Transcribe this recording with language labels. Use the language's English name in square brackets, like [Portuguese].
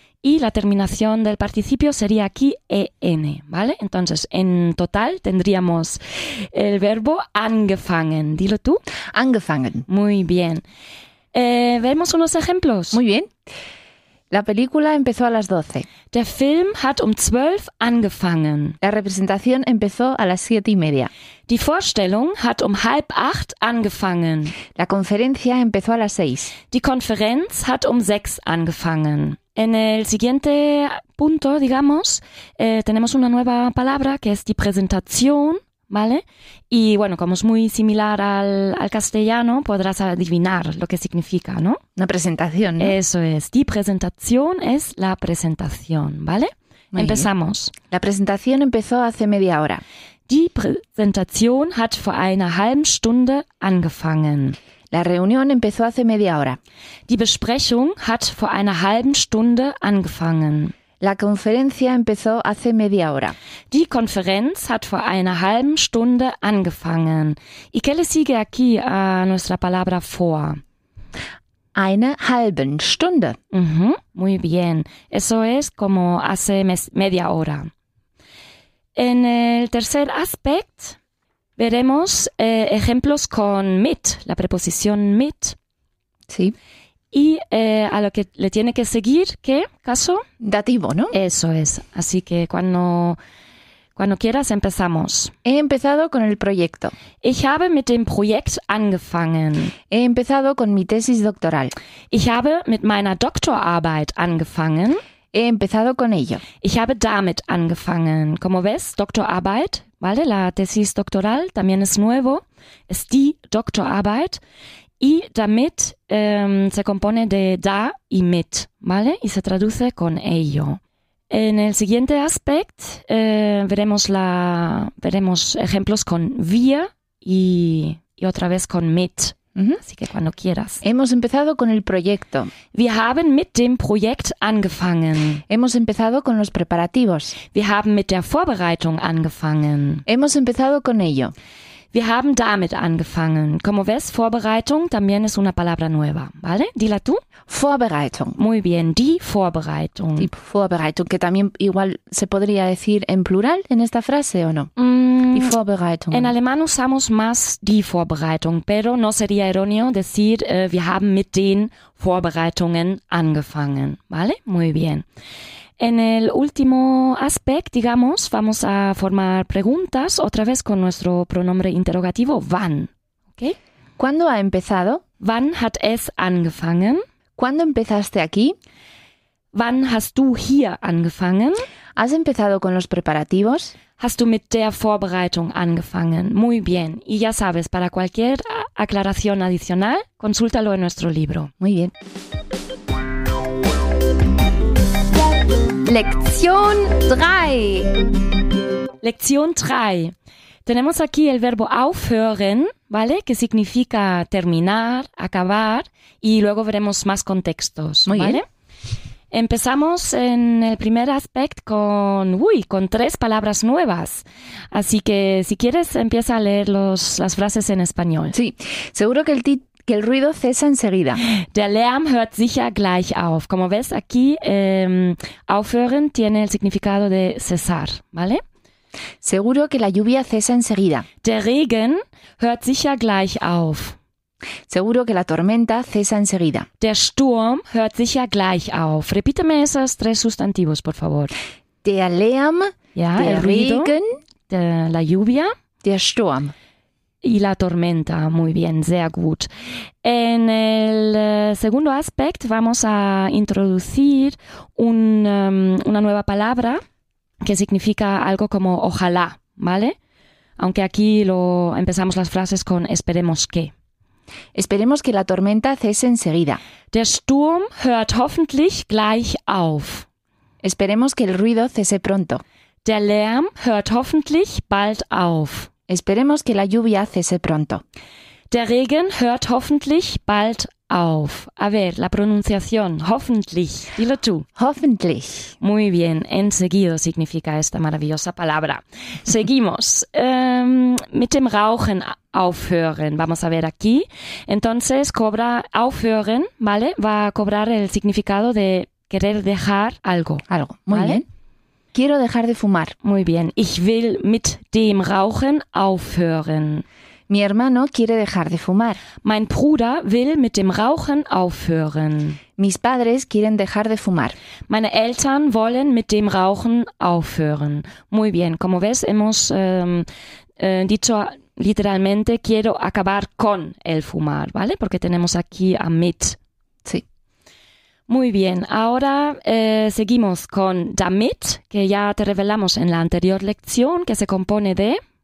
[Spanish] Y la terminación del participio sería aquí en, ¿vale? Entonces, en total tendríamos el verbo angefangen. Dilo tú. [German] Angefangen. [Spanish] Muy bien. Vemos unos ejemplos. Muy bien. La película empezó a las 12. [German] Der Film hat um 12 angefangen. [Spanish] La representación empezó a las 7:30. [German] Die Vorstellung hat um 7:30 angefangen. [Spanish] La conferencia empezó a las 6. [German] Die Konferenz hat um 6 angefangen. [Spanish] En el siguiente punto, digamos, tenemos una nueva palabra que es die Präsentation. ¿Vale? Y bueno, como es muy similar al castellano, podrás adivinar lo que significa, ¿no? Una presentación, ¿no? Eso es. Die Präsentation es la presentación, ¿vale? Muy Empezamos. Bien. La presentación empezó hace media hora. [German] Die Präsentation hat vor einer halben Stunde angefangen. [Spanish] La reunión empezó hace media hora. [German] Die Besprechung hat vor einer halben Stunde angefangen. [Spanish] La conferencia empezó hace media hora. [German] Die Konferenz hat vor einer halben Stunde angefangen. [Spanish] ¿Y qué le sigue aquí a nuestra palabra vor? [German] Eine halben Stunde. [Spanish] Uh-huh, muy bien. Eso es como hace media hora. En el tercer aspecto veremos ejemplos con mit, la preposición mit. Sí. Y a lo que le tiene que seguir, ¿qué caso? Dativo, ¿no? Eso es. Así que cuando quieras empezamos. He empezado con el proyecto. [German] Ich habe mit dem Projekt angefangen. [Spanish] He empezado con mi tesis doctoral. [German] Ich habe mit meiner Doktorarbeit angefangen. [Spanish] He empezado con ello. [German] Ich habe damit angefangen. [Spanish] Como ves, Doktorarbeit, ¿vale? La tesis doctoral también es nuevo. Es die Doktorarbeit. Y damit se compone de da y mit, ¿vale? Y se traduce con ello. En el siguiente aspecto veremos ejemplos con wir y otra vez con mit. Uh-huh. Así que cuando quieras. Hemos empezado con el proyecto. [German] Wir haben mit dem Projekt angefangen. [Spanish] Hemos empezado con los preparativos. [German] Wir haben mit der Vorbereitung angefangen. [Spanish] Hemos empezado con ello. [German] Wir haben damit angefangen. [Spanish] Como ves, Vorbereitung también es una palabra nueva, ¿vale? Dila tú. [German] Vorbereitung. [Spanish] Muy bien, die Vorbereitung. Die Vorbereitung, que también igual se podría decir en plural en esta frase, ¿o no? [German] Die Vorbereitung. [Spanish] En alemán usamos más die Vorbereitung, pero no sería erróneo decir [German] wir haben mit den Vorbereitungen angefangen, [Spanish] ¿vale? Muy bien. En el último aspecto, digamos, vamos a formar preguntas otra vez con nuestro pronombre interrogativo, wann. ¿Okay? ¿Cuándo ha empezado? [German] Wann hat es angefangen? [Spanish] ¿Cuándo empezaste aquí? [German] Wann hast du hier angefangen? [Spanish] ¿Has empezado con los preparativos? [German] Hast du mit der Vorbereitung angefangen? [Spanish] Muy bien. Y ya sabes, para cualquier aclaración adicional, consúltalo en nuestro libro. Muy bien. Lección 3. Lección 3. Tenemos aquí el verbo aufhören, ¿vale? Que significa terminar, acabar, y luego veremos más contextos, ¿vale? Muy bien. Empezamos en el primer aspecto con tres palabras nuevas. Así que si quieres empieza a leer las frases en español. Sí, seguro que el ruido cesa enseguida. [German] Der Lärm hört sicher gleich auf. [Spanish] Como ves, aquí aufhören tiene el significado de cesar, ¿vale? Seguro que la lluvia cesa enseguida. [German] Der Regen hört sicher gleich auf. [Spanish] Seguro que la tormenta cesa enseguida. [German] Der Sturm hört sicher gleich auf. [Spanish] Repíteme esos tres sustantivos, por favor. [German] Der Lärm, ja, der Regen, [Spanish] la lluvia, [German] der Sturm. [Spanish] Y la tormenta, muy bien, [German] sehr gut. [Spanish] En el segundo aspecto vamos a introducir una nueva palabra que significa algo como ojalá, ¿vale? Aunque aquí empezamos las frases con esperemos que. Esperemos que la tormenta cese enseguida. [German] Der Sturm hört hoffentlich gleich auf. [Spanish] Esperemos que el ruido cese pronto. [German] Der Lärm hört hoffentlich bald auf. [Spanish] Esperemos que la lluvia cese pronto. [German] Der Regen hört hoffentlich bald auf. [Spanish] A ver, la pronunciación. Hoffentlich. Dilo tú. [German] Hoffentlich. [Spanish] Muy bien. Enseguido significa esta maravillosa palabra. Seguimos. [German] mit dem Rauchen aufhören. [Spanish] Vamos a ver aquí. Entonces, cobra aufhören, ¿vale? Va a cobrar el significado de querer dejar algo. Algo. Muy ¿vale? bien. Quiero dejar de fumar. Muy bien. [German] Ich will mit dem Rauchen aufhören. [Spanish] Mi hermano quiere dejar de fumar. [German] Mein Bruder will mit dem Rauchen aufhören. [Spanish] Mis padres quieren dejar de fumar. [German] Meine Eltern wollen mit dem Rauchen aufhören. [Spanish] Muy bien. Como ves, hemos dicho literalmente quiero acabar con el fumar, ¿vale? Porque tenemos aquí a mit. Sí. Muy bien, ahora seguimos con damit, que ya te revelamos en la anterior lección, que se compone de...